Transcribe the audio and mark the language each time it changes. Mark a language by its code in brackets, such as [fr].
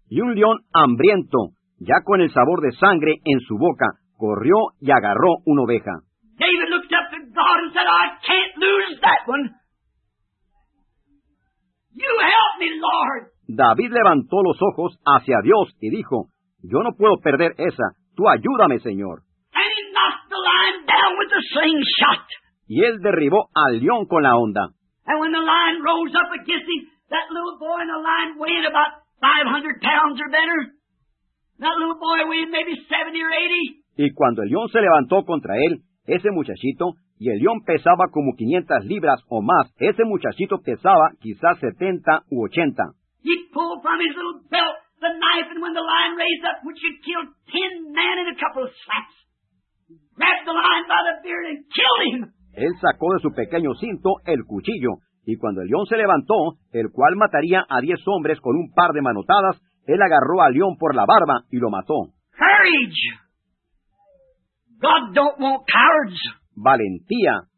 [es] Y un león hambriento, ya con el sabor de sangre en su boca, corrió y agarró una oveja. [en] David looked up to God and said, I can't lose that one. You help me, Lord. [es] David levantó los ojos hacia Dios y dijo, yo no puedo perder esa. Tú ayúdame, Señor. [en] And he knocked the lion down with the slingshot. [es] Y él derribó al león con la onda. [en] And when the lion rose up against him, that little boy and the lion weighed about 500 pounds or better. That little boy weighed maybe 70 or 80. [es] Y cuando el león se levantó contra él, ese muchachito, y el león pesaba como 500 libras o más, ese muchachito pesaba quizás 70 u 80. [en] He pulled from his little belt the knife, and when the lion raised up, which had killed 10 men in a couple of slaps, grabbed the lion by the beard and killed him. [es] Él sacó de su pequeño cinto el cuchillo. Y cuando el león se levantó, el cual mataría a 10 hombres con un par de manotadas, él agarró al león por la barba y lo mató. [en] Courage. God don't want cowards. [es] Valentía.